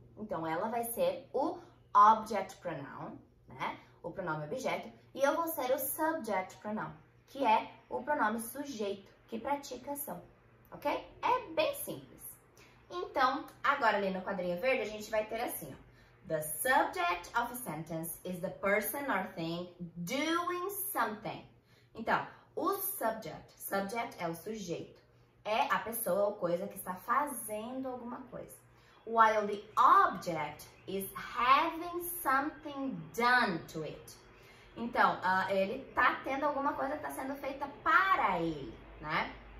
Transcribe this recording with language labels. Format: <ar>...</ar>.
<pt>Então, ela vai ser o object pronoun, né, o pronome objeto, e eu vou ser o subject pronoun, que é o pronome sujeito que pratica a ação, ok? É bem simples. Então, agora ali no quadrinho verde, a gente vai ter assim, ó.</pt> <en>The subject of a sentence is the person or thing doing something.</en> <pt>Então, o subject, subject é o sujeito, é a pessoa ou coisa que está fazendo alguma coisa.</pt> <en>While the object is having something done to it.</en> <pt>Então, ele está tendo alguma coisa que está sendo feita para ele, né?</pt>